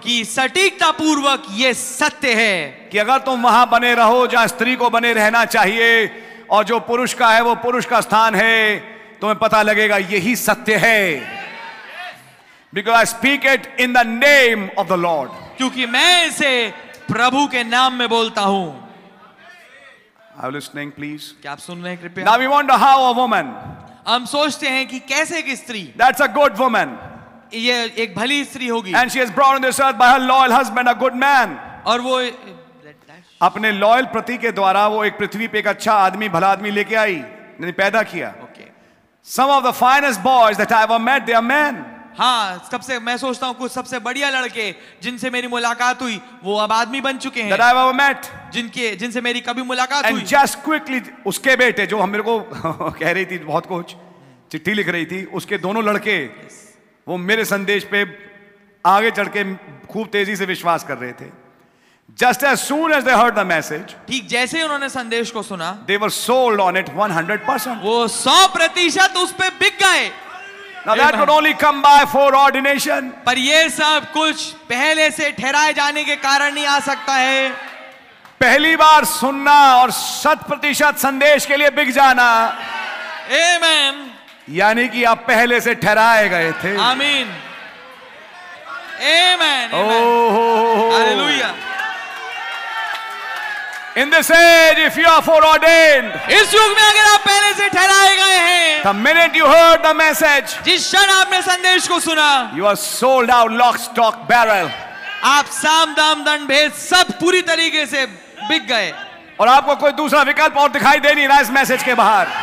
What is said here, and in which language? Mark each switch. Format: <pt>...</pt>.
<hi>कि सटीकता पूर्वक ये सत्य है. कि अगर तुम वहाँ बने रहो जहाँ स्त्री को बने रहना चाहिए और जो पुरुष का है वो पुरुष का स्थान है तुम्हें पता लगेगा यही सत्य है.</hi> <en>Because I speak it in the name of the Lord.</en> <hi>क्योंकि मैं इसे प्रभु के नाम में बोलता हूँ.</hi> <en>Are listening, please.</en> <hi>क्या आप सुन रहे हैं कृपया.</hi> <en>Now we wonder how a woman.</en> <hi>हम सोचते हैं कि कैसे एक स्त्री.</hi> <en>That's a good woman.</en> <hi>ये एक भली स्त्री होगी.</hi> <en>And she has brought on this earth by her loyal husband, a good man.</en> <hi>और वो अपने लॉयल पति के द्वारा वो एक पृथ्वी पे एक अच्छा आदमी भला आदमी लेके आई यानी पैदा किया.</hi> <en>Okay. Some of the finest boys that I ever met, they are men.</en> <hi>हाँ सबसे मैं सोचता हूँ कुछ सबसे बढ़िया लड़के जिनसे मेरी मुलाकात हुई वो अब आदमी बन चुके हैं.</hi> <en>That I've ever met.</en> <hi>जिनके जिनसे मेरी कभी मुलाकात</hi> <en>And</en> <hi>हुई.</hi> <en>Just quickly,</en> <hi>उसके बेटे जो हम मेरे को कह रही थी बहुत कुछ चिट्ठी लिख रही थी उसके दोनों लड़के</hi> <en>Yes.</en> <hi>वो मेरे संदेश पे आगे चढ़ के खूब तेजी से विश्वास कर रहे थे.</hi> <en>Just as soon as they heard the message,</en> <hi>ठीक जैसे ही उन्होंने संदेश को सुना</hi> <en>they were sold on it 100%.</en> <hi>वो 100% उस पे बिक गए.</hi> <en>Now that could only come by foreordination.</en> <hi>पर ये सब कुछ पहले से ठहराए जाने के कारण नहीं आ सकता है. पहली बार सुनना और 100% संदेश के लिए बिक जाना.</hi> <en>Amen.</en> <hi>यानी कि आप पहले से ठहराए गए थे. आमीन. Amen.</hi> <en>Hallelujah. In this age, if you are foreordained,</en> <hi>इस युग में अगर आप पहले से ठहराए गए हैं,</hi> <en>the minute you heard the message,</en> <hi>जिस क्षण आपने संदेश को सुना,</hi> <en>you are sold out, lock, stock, barrel.</en> <hi>आप साम दाम दंड भेद सब पूरी तरीके से बिक गए. और आपको कोई दूसरा विकल्प और दिखाई दे नहीं रहा इस मैसेज के बाहर.</hi>